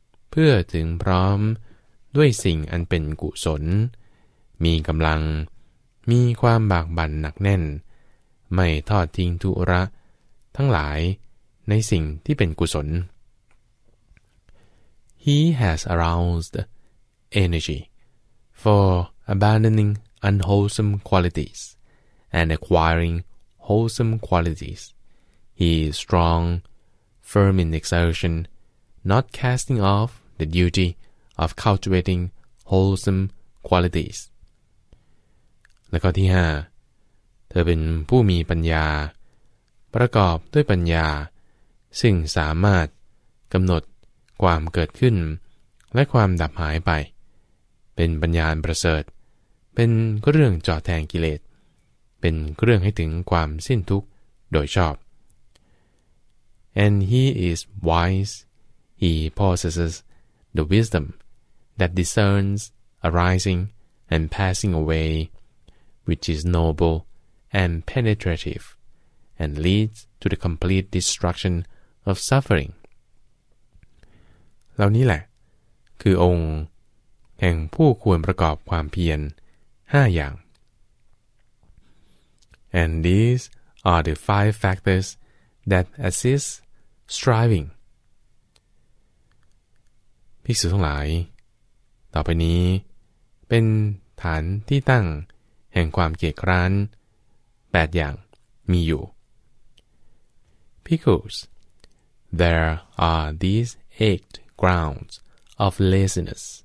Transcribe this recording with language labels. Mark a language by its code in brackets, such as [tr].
[th] เพื่อถึงพร้อมด้วยสิ่งอันเป็นกุศลมีกำลังมีความบากบั่นหนักแน่นไม่ทอดทิ้งธุระทั้งหลายในสิ่งที่เป็นกุศล [en] He has aroused energy for abandoning unwholesome qualities and acquiring wholesome qualities. He is strong, firm in exertion, not casting off the duty of cultivating wholesome qualities. [th] และข้อที่ 5. เธอเป็นผู้มีปัญญาประกอบด้วยปัญญาซึ่งสามารถกำหนดความเกิดขึ้นและความดับหายไปเป็นปัญญาประเสริฐเป็นเรื่องจอดแทงกิเลสเป็นเรื่องให้ถึงความสิ้นทุกข์โดยชอบ [en] And he is wise, he possesses the wisdom that discerns arising and passing away, which is noble and penetrative, and leads to the complete destruction of suffering. [th] เหล่านี้แหละคือองค์แห่งผู้ควรประกอบความเพียร5อย่าง [en] And these are the five factors that assist striving. [th] ภิกษุทั้งหลายต่อไปนี้เป็นฐานที่ตั้งแห่งความเกียจคร้าน8อย่างมีอยู่ [en] Because there are these eight grounds of laziness.